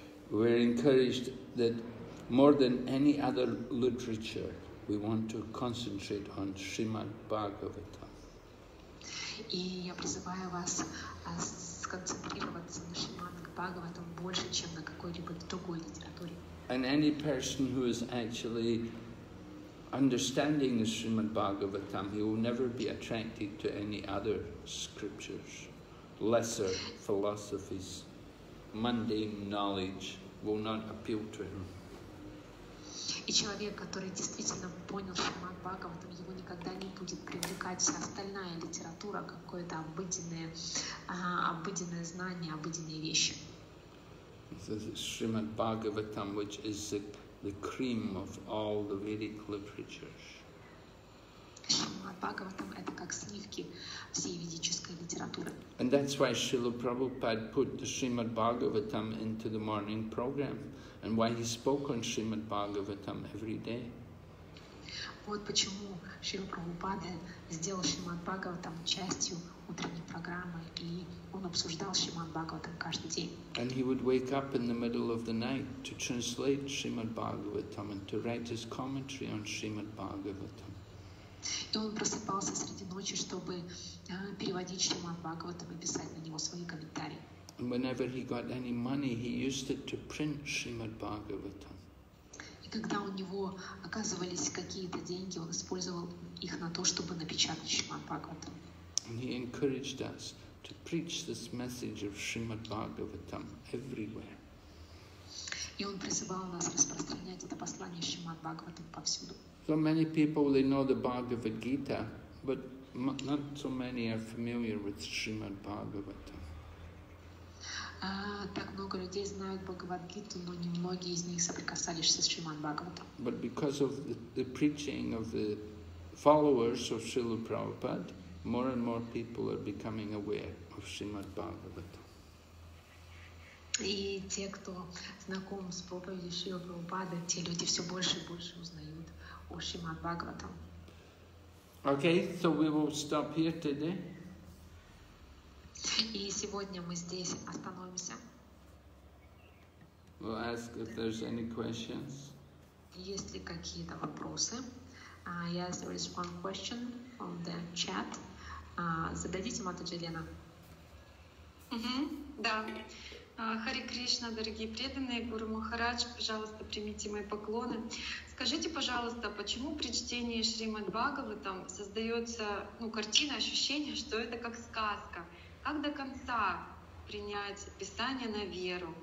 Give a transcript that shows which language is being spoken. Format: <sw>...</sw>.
<en>We're encouraged that more than any other literature, we want to concentrate on Srimad Bhagavatam.</en> <ru>И я призываю вас сконцентрироваться на Шримад Бхагаватам больше, чем на какой-либо другой литературе.</ru> <en>And any person who is actually understanding the Srimad Bhagavatam, he will never be attracted to any other scriptures. Lesser philosophies, mundane knowledge will not appeal to him.</en> <ru>И человек, который действительно понял Шримад Бхагаватам, его никогда не будет привлекать вся остальная литература, какое-то обыденное знание, обыденные вещи.</ru> <en>Srimad Bhagavatam, which is the cream of all the Vedic literatures.</en> <ru>Srimad Bhagavatam – это как сливки всей ведической литературы.</ru> <en>And that's why Srila Prabhupada put the Srimad Bhagavatam into the morning program, and why he spoke on Srimad Bhagavatam every day.</en> <ru>Вот почему Шрила Прабхупада сделал Шримад Бхагаватам частью утренней программы, и он обсуждал Шримад Бхагаватам каждый день.</ru> <en>And he would wake up in the middle of the night to translate Shrimad Bhagavatam and to write his commentary on Shrimad Bhagavatam.</en> <ru>И он просыпался среди ночи, чтобы переводить Шримад Бхагаватам и писать на него свои комментарии.</ru> <en>And whenever he got any money, he used it to print Shrimad Bhagavatam.</en> <ru>Когда у него оказывались какие-то деньги, он использовал их на то, чтобы напечатать Шримад Бхагаватам.</ru> <en>And he encouraged us to preach this message of Shrimad Bhagavatam everywhere.</en> <ru>И он призывал нас распространять это послание Шримад Бхагаватам повсюду.</ru> <en>So many people, they know the Bhagavad Gita, but not so many are familiar with Shrimad Bhagavatam.</en> <ru>Так много людей знают Бхагавад-гиту, но немногие из них соприкасались с Шримад Бхагаватам.</ru> <en>But because of the preaching of the followers of Srila Prabhupada, more and more people are becoming aware of Srimad Bhagavatam.</en> <ru>И те, кто знаком с проповедью Шрила Прабхупады, те люди все больше и больше узнают о Шримад Бхагаватам.</ru> <en>Okay, so we will stop here today.</en> <ru>И сегодня мы здесь остановимся.</ru> <en>We'll ask if there's any questions.</en> <ru>Есть ли какие-то вопросы?</ru> <en>Yes, there is one question from the chat.</en> <ru>Зададите Матаджи Лена. Да. Харе Кришна, дорогие преданные, Гуру Махарадж, пожалуйста, примите мои поклоны. Скажите, пожалуйста, почему при чтении Шримад Бхагаватам создается картина, ощущение, что это как сказка? Как до конца принять Писание на веру?</ru>